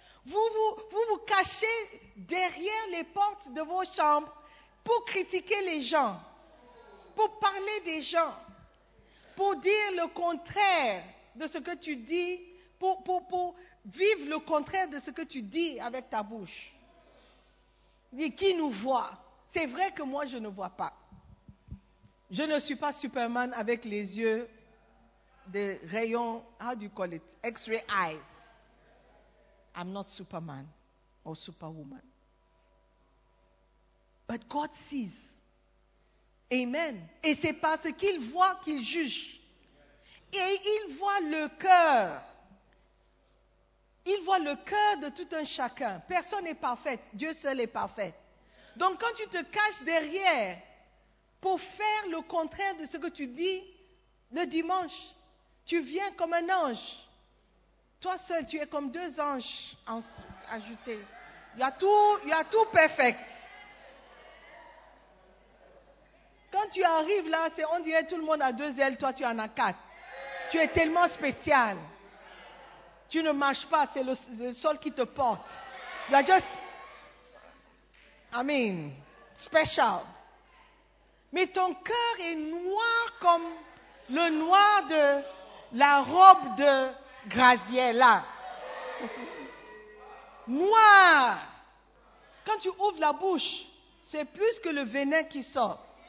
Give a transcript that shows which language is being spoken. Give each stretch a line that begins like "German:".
French: Vous cachez derrière les portes de vos chambres pour critiquer les gens, pour parler des gens, pour dire le contraire de ce que tu dis, pour vivre le contraire de ce que tu dis avec ta bouche. Dit, qui nous voit? C'est vrai que moi, je ne vois pas. Je ne suis pas Superman avec les yeux de rayon,
English: how do you call it? X-ray eyes. I'm not Superman or Superwoman. But God sees. Amen.
French: Et c'est parce qu'il voit qu'il juge. Et il voit le cœur. Il voit le cœur de tout un chacun. Personne n'est parfait. Dieu seul est parfait. Donc quand tu te caches derrière pour faire le contraire de ce que tu dis le dimanche, tu viens comme un ange. Toi seul, tu es comme deux anges ajoutés. Il y a tout perfect. Quand tu arrives là, c'est on dirait tout le monde a deux ailes, toi tu en as quatre. Tu es tellement spécial. Tu ne marches pas, c'est le sol qui te porte.
English: You are just, I mean, special.
French: Mais ton cœur est noir comme le noir de la robe de Graziella. Noir. Quand tu ouvres la bouche, c'est plus que le venin qui sort.